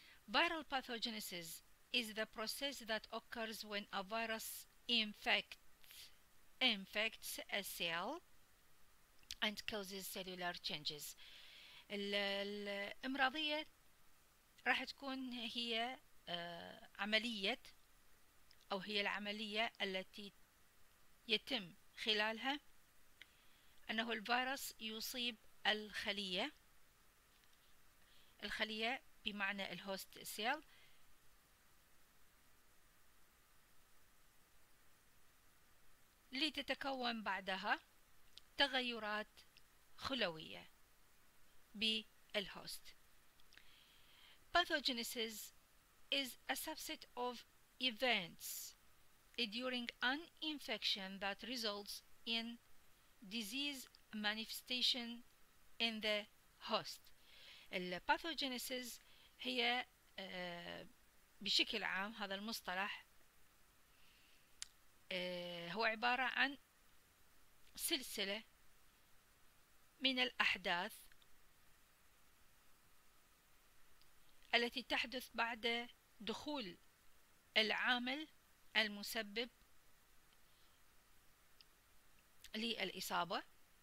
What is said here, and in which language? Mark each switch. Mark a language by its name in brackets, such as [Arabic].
[English] Viral pathogenesis is the process that occurs when a virus infects a cell and causes cellular changes. [Arabic] الإمراضية راح تكون هي عملية أو هي العملية التي يتم خلالها أنه الفيروس يصيب الخلية بمعنى الهوست سيل، لتتكون بعدها تغيرات خلوية بالهوست. [English] Pathogenesis is a subset of events during an infection that results in disease manifestation in the host. [Arabic] الباثوجينيسيس هي بشكل عام، هذا المصطلح هو عبارة عن سلسلة من الأحداث التي تحدث بعد دخول العامل المسبب للإصابة.